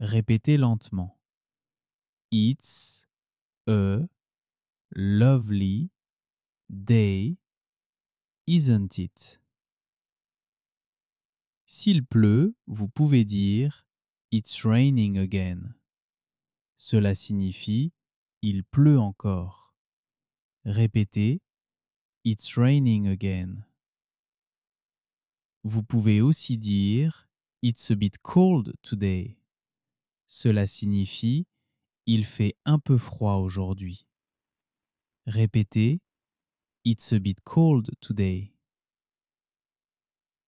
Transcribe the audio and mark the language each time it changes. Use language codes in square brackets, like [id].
[fr] Répétez lentement. [en] It's a lovely day, isn't it? [fr] S'il pleut, vous pouvez dire [en] It's raining again. [fr] Cela signifie Il pleut encore. Répétez [en] It's raining again. [fr] Vous pouvez aussi dire [en] It's a bit cold today. [fr] Cela signifie il fait un peu froid aujourd'hui. Répétez [en] « It's a bit cold today ».